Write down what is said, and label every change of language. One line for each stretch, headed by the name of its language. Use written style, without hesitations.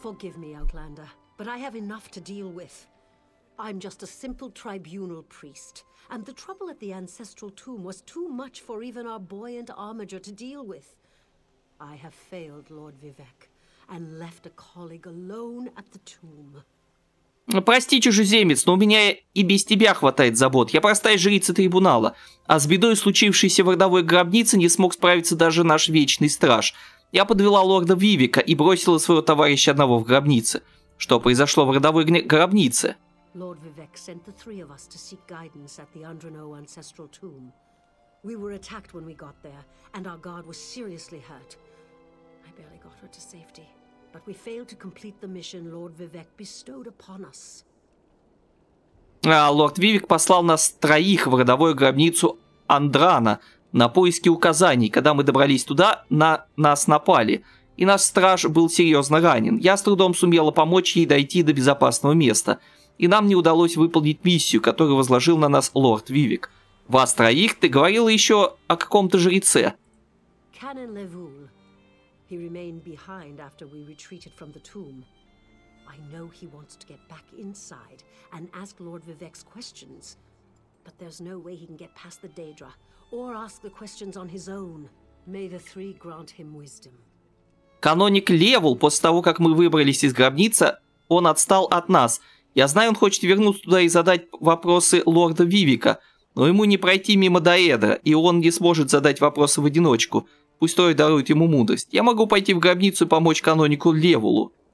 English: Forgive me, Outlander, but I have enough to deal with. I'm just a simple tribunal priest, and the trouble at the ancestral tomb was too much for even our buoyant armiger to deal with. I have failed, Lord Vivek, and left a colleague alone at the tomb.
Russian: Прости, чужеземец, но у меня и без тебя хватает забот. Я простая жрица трибунала, а с бедой, случившейся в родовой гробнице, не смог справиться даже наш вечный страж. Я подвела лорда Вивика и бросила своего товарища одного в гробнице. Что произошло в родовой гробнице?
English: Lord Vivek sent the three of us to seek guidance at the Andrano ancestral tomb. We were attacked when we got there, and our guard was seriously hurt. I barely got her to safety, but we failed to complete the mission Lord Vivek bestowed upon us.
Russian: А лорд Вивик послал нас троих в родовую гробницу Андрана на поиски указаний. Когда мы добрались туда, на нас напали, и наш страж был серьезно ранен. Я с трудом сумела помочь ей дойти до безопасного места. И нам не удалось выполнить миссию, которую возложил на нас лорд Вивик. Вас троих, ты говорила еще о каком-то жреце.
English: Canon Levul. He remained behind after we retreated from the tomb. I know he wants to get back inside and ask Lord Vivek's questions. But there's no way he can get past the Daedra or ask the questions on his own. May the three grant him wisdom.
Russian: Каноник Левул, после того, как мы выбрались из гробницы, он отстал от нас. Я знаю, он хочет вернуться туда и задать вопросы лорда Вивика, но ему не пройти мимо Даэдра, и он не сможет задать вопросы в одиночку. Пусть трое дарует ему мудрость. Я могу пойти в гробницу и помочь канонику Левулу.